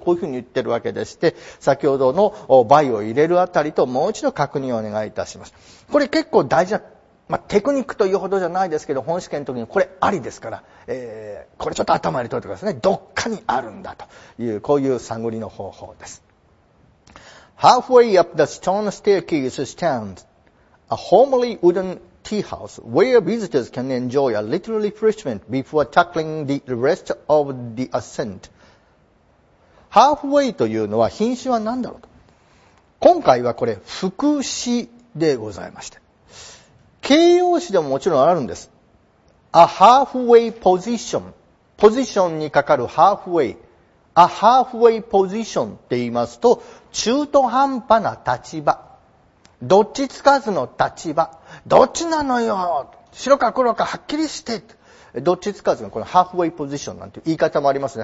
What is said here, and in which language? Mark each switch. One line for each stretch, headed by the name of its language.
Japanese: とこういうふうに言ってるわけでして、先ほどの倍を入れるあたりともう一度確認をお願いいたします。これ結構大事な、まあ、テクニックというほどじゃないですけど、本試験の時にこれありですから、これちょっと頭に取ってくださいね。どっかにあるんだという、こういう探りの方法です。
English: Halfway up the stone staircase stands a homely wooden tea house where visitors can enjoy a little refreshment before tackling the rest of the ascent.
Japanese: ハーフウェイというのは品種は何だろうと。今回はこれ副詞でございまして、形容詞でももちろんあるんです。
English: A halfway position、
Japanese: ポジションにかかるハーフウェイ、 A halfway position って言いますと、中途半端な立場、どっちつかずの立場、どっちなのよ、白か黒かはっきりして、どっちつかずの、このハーフウェイポジションなんて言い方もありますね。